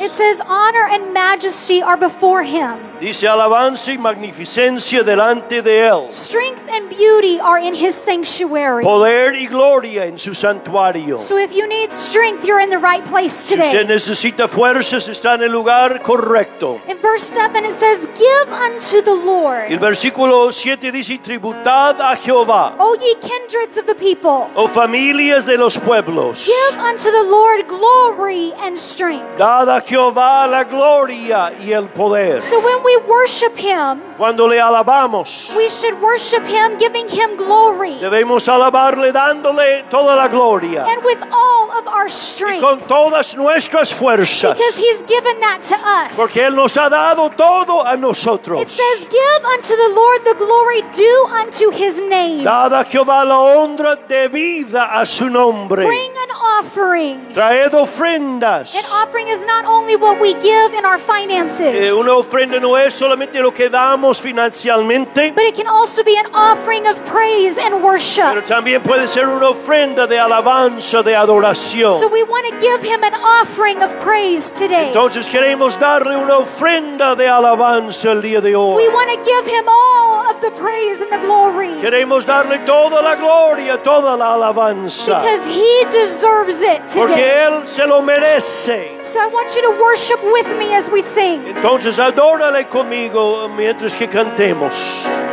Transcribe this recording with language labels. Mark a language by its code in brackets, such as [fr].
[en] It says honor and majesty are before him. [es] Dice alabanza y magnificencia delante de él. [en] Strength and beauty are in his sanctuary. [es] Poder y gloria en su santuario. [en] So if you need strength, you're in the right place today. [es] Si usted necesita fuerzas, está en el lugar correcto. [en] In verse 7 it says give unto the Lord. [es] El versículo 7 dice tributad a Jehová. [en] O ye kindreds of the people. [es] O familias de los pueblos. [en] Give unto the Lord glory and strength. [es] Dad a Jehová la gloria y el poder. [en] So when we worship him, [es] cuando le alabamos, [en] we should worship him giving him glory. [es] Debemos alabarle dándole toda la gloria. [en] And with all of our strength. [es] Y con todas nuestras fuerzas. [en] Because he's given that to us. [es] Porque él nos ha dado todo a nosotros. [en] It says give unto the Lord the glory due unto his name. [es] Dad a Jehová la honra debida a su nombre. [en] Bring an offering. [es] Traed ofrendas. [en] An offering is not only what we give in our finances. [es] Una ofrenda no es solamente lo que damos financieramente. [en] But it can also be an offering of praise and worship. [es] Pero también puede ser una ofrenda de alabanza, de adoración. [en] So we want to give him an offering of praise today. [es] Entonces queremos darle una ofrenda de alabanza el día de hoy. [en] We want to give him all of the praise and the glory. [es] Queremos darle toda la gloria, toda la alabanza. [en] Because he deserves it today. [es] Porque él se lo merece. [en] So I want you to worship with me as we sing. [es] Entonces adórale conmigo mientras que cantemos.